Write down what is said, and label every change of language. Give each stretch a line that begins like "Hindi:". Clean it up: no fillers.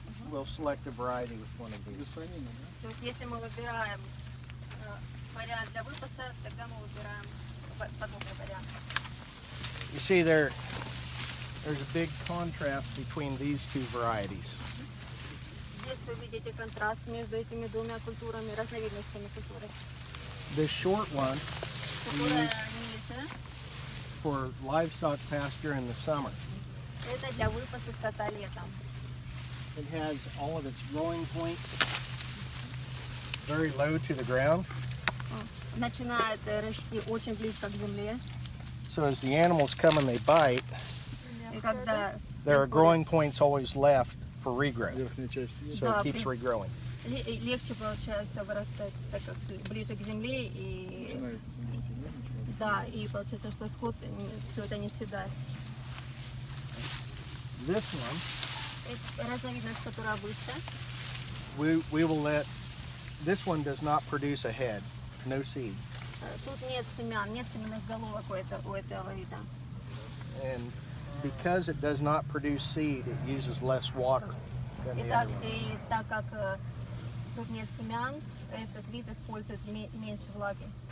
English: We'll select a variety with one of these.
Russian: То есть если мы выбираем вариант для выпаса, тогда мы выбираем подобный вариант.
English: You see there's a big contrast between these two varieties.
Russian: Здесь вы видите контраст между этими двумя культурами, разновидностями культуры.
English: The short one is for livestock pasture in the summer.
Russian: Это для выпаса скота летом.
English: It has all of its growing points very low to the ground.
Russian: Начинает расти очень близко к земле.
English: So as the animals come and they bite,
Russian: когда
English: there are growing points always left for regrowth. So it keeps regrowing.
Russian: Легче получается вырастать, так как ближе к земле и да, и получается, что скот все это не съедает.
English: This one.
Russian: Разновидность, которая выше.
English: We will let. This one does not produce a head, no seed.
Russian: Тут нет семян, нет семенных головок у этого вида.
English: And because it does not produce seed, it uses less water than the other one.
Russian: И так как тут нет семян, этот вид использует меньше влаги.